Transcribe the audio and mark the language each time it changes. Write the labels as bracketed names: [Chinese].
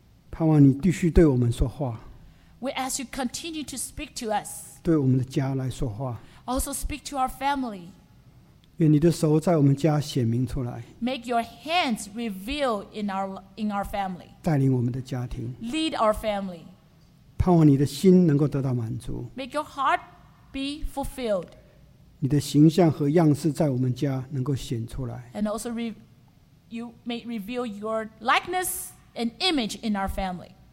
[Chinese] 盼望你继续对我们说话。 [English] We ask you continue to speak to us. [Chinese] 对我们的家来说话。 [English] Also speak to our family. [Chinese] 愿你的手在我们家显明出来。 [English] Make your hands reveal in our family. [Chinese] 带领我们的家庭。 [English] Lead our family. [Chinese] 盼望你的心能够得到满足。 [English] Make your heart be fulfilled. [Chinese] 你的形象和样式在我们家能够显出来。 [English] And also, you may reveal your likeness and image in our family.